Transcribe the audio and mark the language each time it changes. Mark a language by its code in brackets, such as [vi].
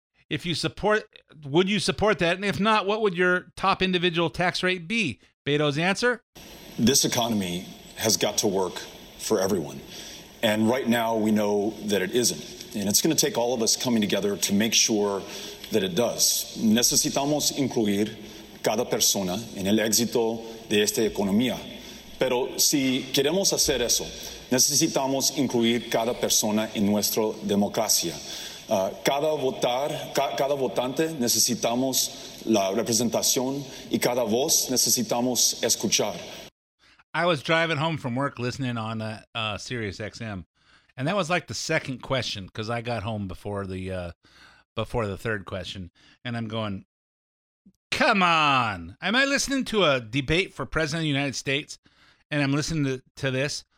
[en] If you support, would you support that? And if not, what would your top individual tax rate be? Beto's answer? This economy has got to work for everyone. And right now we know that it isn't. And it's going to take all of us coming together to make sure that it does. [es] Necesitamos incluir cada persona en el éxito de esta economía. Pero si queremos hacer eso, necesitamos incluir cada persona en nuestra democracia. Cada votante necesitamos la representación y cada voz necesitamos escuchar. [en] I was driving home from work listening on Sirius XM, and that was like the second question, because I got home before the third question, and I'm going, come on! Am I listening to a debate for President of the United States, and I'm listening to this?